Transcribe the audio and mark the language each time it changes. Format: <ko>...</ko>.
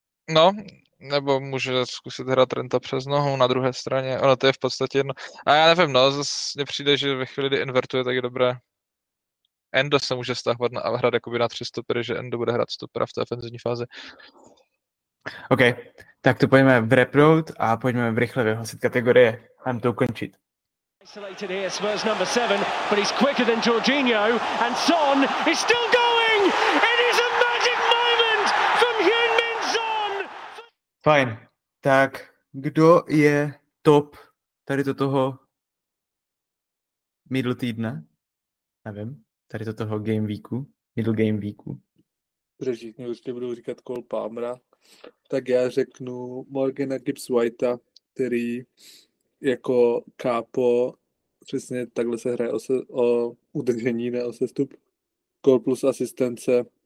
<cs>No, nebo může zkusit hrát Trenta přes nohu na druhé straně, ono to je v podstatě jedno. A já nevím, no, zase mně přijde, že ve chvíli, kdy invertuje, tak je dobré. Endo se může stahovat a hrát jakoby na tři stopery, že Endo bude hrát stopera v té ofenzivní fázi. OK, tak to pojďme v reprout a pojďme v rychle vyhlasit kategorie. Mám to ukončit.</cs> <en>Isolated here, Spurs number 7, but he's quicker than Jorginho and Son is still going! It is a magic moment from Heung-min Son!</en> <cs>Fajn, tak kdo je top tady do toho middle týdne? Nevím, tady do toho game weeku, middle game weeku. Řešit, určitě budu říkat Cole Palmera. Tak já řeknu Morgana Gibbs-Whitea, který jako kápo, přesně takhle se hraje o udržení, ne o sestup, gól plus asistence.</cs>